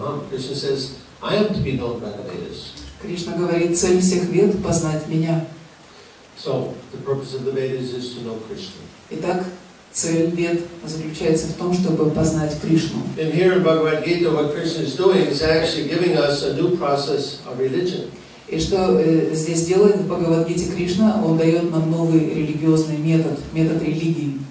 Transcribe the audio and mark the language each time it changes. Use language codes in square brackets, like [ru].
[en] Krishna says, I am to be known by the Vedas. [ru] Кришна говорит, цель всех Вед — познать меня. [en] So, the purpose of the Vedas is to know Krishna. [ru] Итак, цель Вед заключается в том, чтобы познать Кришну. [en] And here in Bhagavad Gita, what Krishna is doing is actually giving us a new process of religion. [ru] И что здесь делает в Бхагавад-гите Кришна? Он дает нам новый религиозный метод, метод религии.